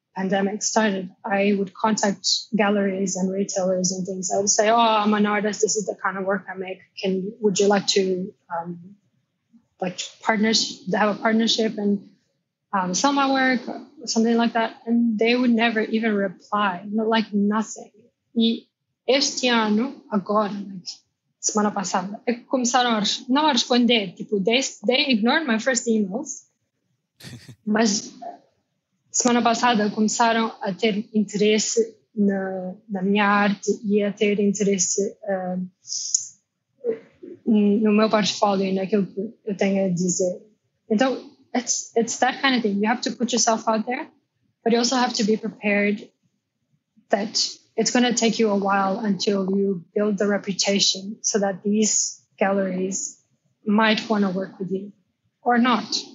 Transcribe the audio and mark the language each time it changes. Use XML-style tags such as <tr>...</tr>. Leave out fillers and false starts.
<en>pandemic started, I would contact galleries and retailers and things. I would say, oh, I'm an artist. This is the kind of work I make. Would you like to have a partnership and sell my work or something like that? And they would never even reply, like nothing.</en> <pt>E este ano, agora, like, semana passada, começaram a não a responder. Tipo,</pt> <en>they ignored my first emails.</en> <pt>Mas semana passada começaram a ter interesse na minha arte e a ter interesse no meu portfólio e naquilo que eu tenho a dizer.</pt> <en>Então, it's that kind of thing. You have to put yourself out there, but you also have to be prepared that it's going to take you a while until you build the reputation so that these galleries might want to work with you or not.</en>